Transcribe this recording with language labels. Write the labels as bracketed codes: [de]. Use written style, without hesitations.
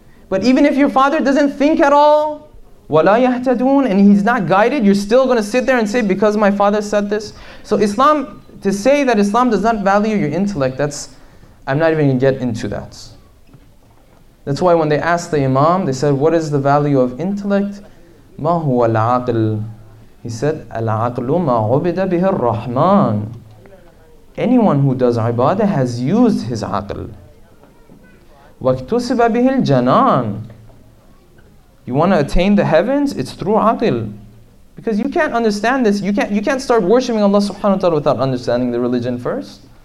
[en] But even if your father doesn't think at all, [ar] وَلَا يَهْتَدُونَ, [en] and he's not guided, you're still going to sit there and say, because my father said this. So Islam, to say that Islam does not value your intellect, that's, I'm not even going to get into that. That's why when they asked the Imam, they said, what is the value of intellect? [ar] مَا هُوَ الْعَقِلِ. [en] He said, [ar] الْعَقْلُ مَا عُبِدَ بِهِ الرَّحْمَانِ. [en] Anyone who does ibadah has used his aql. [ar] وَاكْتُسِبَ بِهِ الْجَنَانِ. [en] You want to attain the heavens? It's through aql. Because you can't understand this. You can't start worshiping Allah subhanahu wa ta'ala without understanding the religion first.